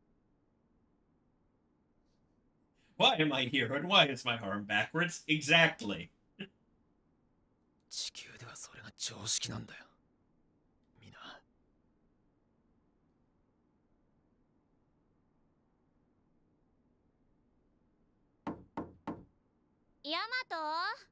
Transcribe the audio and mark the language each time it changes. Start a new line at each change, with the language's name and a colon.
Japanese: 止めることができるのです。止める?叫んだ。やられたらやり返す。
English: Why am I here and why is my arm backwards? Exactly.
Japanese: 地球ではそれが常識なんだよ。みんな。ヤマト?